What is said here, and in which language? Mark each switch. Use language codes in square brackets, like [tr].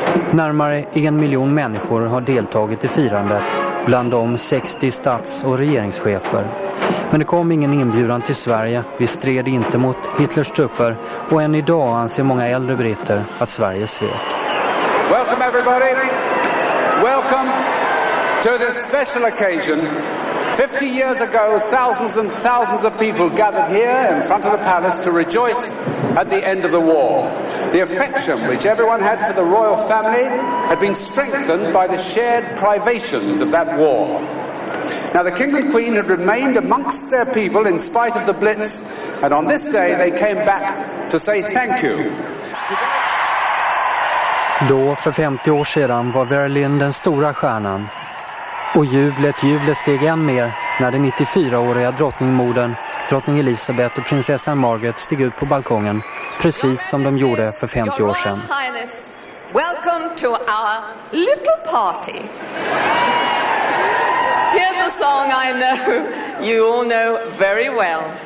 [sv] Närmare 1 miljon människor har deltagit i firandet, bland dem 60 stats- och regeringschefer. Men det kom ingen inbjudan till Sverige, vi stred inte mot Hitlers trupper och än idag anser många äldre britter att Sverige svek. [en] Welcome everybody! Welcome! To this special occasion, 50 years ago, thousands and thousands of people gathered here in front of the palace to rejoice at the end of the war. The affection which everyone had for the royal family had been strengthened by the shared privations of that war. Now, the King and Queen had remained amongst their people in spite of the Blitz, and on this day they came back to say thank you. [sv] Då, för 50 år sedan, var Berlin den stora stjärnan. Och jublet steg än mer när den 94-åriga drottningmodern, drottning Elisabeth och prinsessan Margaret steg ut på balkongen, precis som de gjorde för 50 år sedan. [en] Your Royal Highness, welcome to our little party. Here's a song I know you all know very well.